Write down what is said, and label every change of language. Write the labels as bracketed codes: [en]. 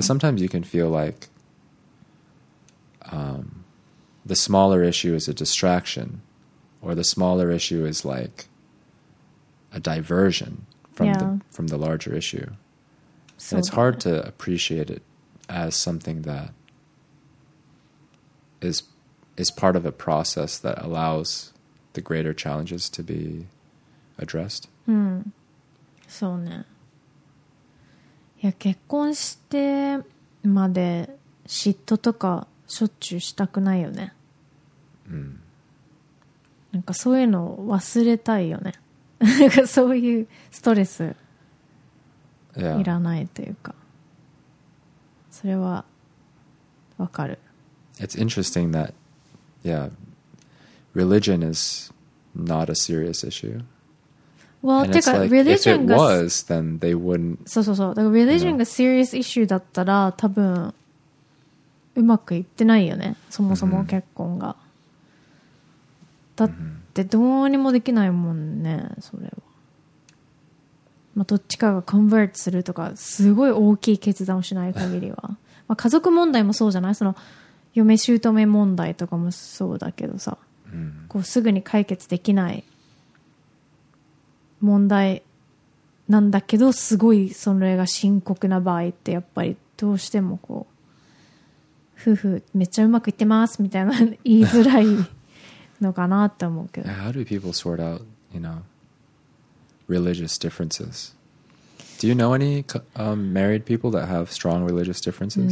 [en] Sometimes you can feel like the smaller issue is a distraction, or the smaller issue is like a diversion from the larger issue. So and it's hard to appreciate it as something that is part of a process that allows the greater challenges to be addressed. So, ne. Yeah, [ja] 結婚してまで嫉妬とかしょっちゅうしたくないよね。なんかそういうの忘れたいよね。なんかそういうストレスいらないというか、それはわかる。 [en] It's interesting that, yeah, religion is not a serious issue. Well, [ja] てか、 [en] like, religion if it was, then they wouldn't. [ja] そうそうそう。だから religion が [en] serious issue [ja] だったら、多分うまくいってないよね。そもそも結婚が。だってどうにもできないもんね、それは。まあ、どっちかがコンバートするとか、すごい大きい決断をしない限りは。まあ、家族問題もそうじゃない？その嫁姑問題とかもそうだけどさ、こうすぐに解決できない問題なんだけど、すごいそれが深刻な場合って、やっぱりどうしてもこう夫婦めっちゃうまくいってますみたいな言いづらいのかなって思うけど。 [en] How do people sort out, you know, religious differences? Do you know any married people that have strong religious differences?